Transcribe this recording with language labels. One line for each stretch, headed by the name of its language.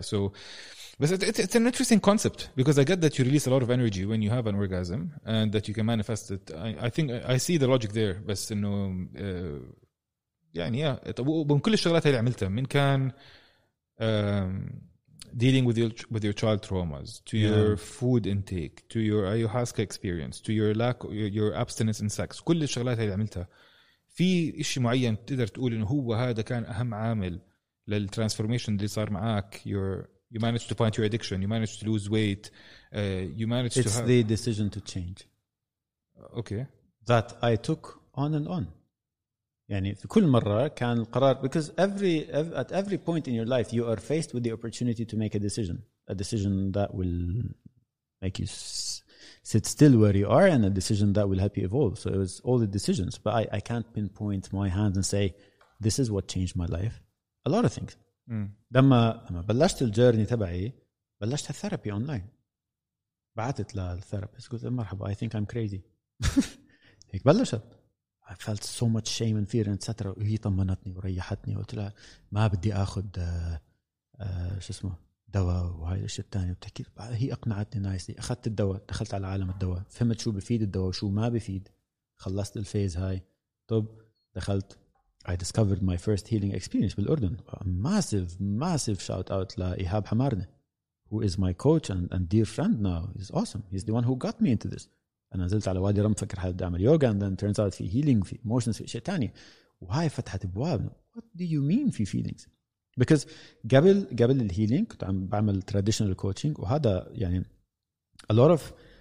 English: So, but it's an interesting concept because I get that you release a lot of energy when you have an orgasm and that you can manifest it. I think I see the logic there. But you know, yeah, yeah.
Arabic: When كل الشغلات هاي عملتها من كان.
English: Dealing with your child traumas, to your food intake, to your ayahuasca experience, to your lack, your abstinence in sex.
Arabic: كل الشغلات هاي اللي عملتها في إشي معين تقدر تقول إنه هو هذا كان أهم عامل للترانسفورميشن اللي صار معاك. Your
English: You managed to fight your addiction. You managed to lose weight. You managed it's to have... It's the decision to change. Okay. That I took on and on.
Arabic: يعني في كل مرة كان القرار...
English: Because every at every point in your life, you are faced with the opportunity to make a decision. A decision that will make you sit still where you are and a decision that will help you evolve. So it was all the decisions. But I can't pinpoint my hands and say, this is what changed my life. A lot of things.
Arabic: لما بلشت الجيرني تبعي بلشت الثيرابي اونلاين بعثت للثيرابيست قلت مرحبا
English: I think I'm crazy
Arabic: هيك بلشت
English: I felt so much shame and fear etc
Arabic: وهي طمنتني وريحتني وقلت لها ما بدي اخذ شو اسمه دواء وهي الشيء الثاني بتحكي هي اقنعتني نايسلي اخذت الدواء دخلت على عالم الدواء فهمت شو بفيد الدواء وشو ما بفيد خلصت الفيز هاي طب دخلت
English: I discovered my first healing experience with Urdan. A massive, massive shout out to Ihab Hamarne, who is my coach and dear friend now. He's awesome. He's the one who got me into this. And I went to Wadi Ram, thinking I had to do yoga, and then turns out there's healing, there's emotions, there's shaitani. Why did I open the door? What do you mean there's feelings? Because before the healing, I was doing traditional coaching, and this is a lot of...